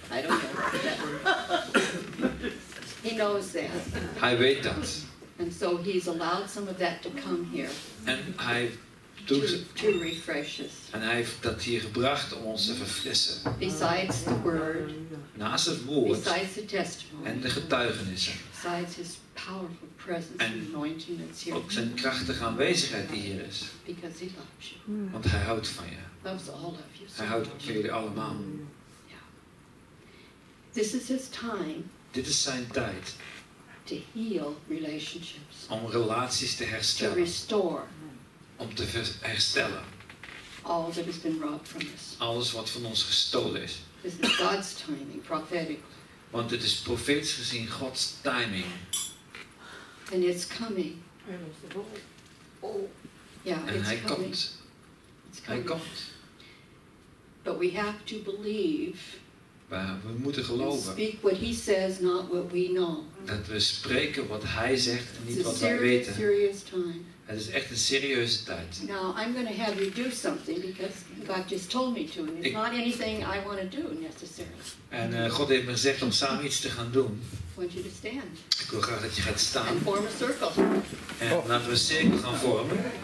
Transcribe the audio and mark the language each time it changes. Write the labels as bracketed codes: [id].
[en] I don't know what that word. He knows that. [nl] Hij weet dat. [en] And so he's allowed some of that to come here. And I to refresh us. [nl] En hij heeft dat hier gebracht om ons te verfrissen. [en] Besides the word. [nl] Naast het woord. [en] Besides the testimony. [nl] En de getuigenissen. [en] Besides his powerful presence and anointing that's here. [nl] Ook zijn krachtige aanwezigheid die hier is. [en] Because he loves you. [nl] Want hij houdt van je. [en] Loves all of you. [nl] Hij houdt van jullie allemaal. [en] This is his time. [nl] Dit is zijn tijd. [en] To heal relationships. [nl] Om relaties te herstellen. [en] To restore. [nl] Om te herstellen. [en] All that has been robbed from us. [nl] Alles wat van ons gestolen is. [en] This is God's timing, prophetic. [nl] Want het is profeetisch gezien God's timing. [en] And it's coming. [nl] En hij komt. Hij komt. [en] But we have to believe. [nl] Maar we moeten geloven. [en] And speak what he says, not what we know. [nl] Dat we spreken wat hij zegt en niet wat wij weten. [en] Serious time. [nl] Het is echt een serieuze tijd. [en] Now I'm going to have you do something because God just told me to, and it's not anything I want to do necessarily. [nl] En God heeft me gezegd om samen iets te gaan doen. [en] I want you to stand. [nl] Ik wil graag dat je gaat staan. [en] And form a circle. [nl] En laten we een cirkel gaan vormen.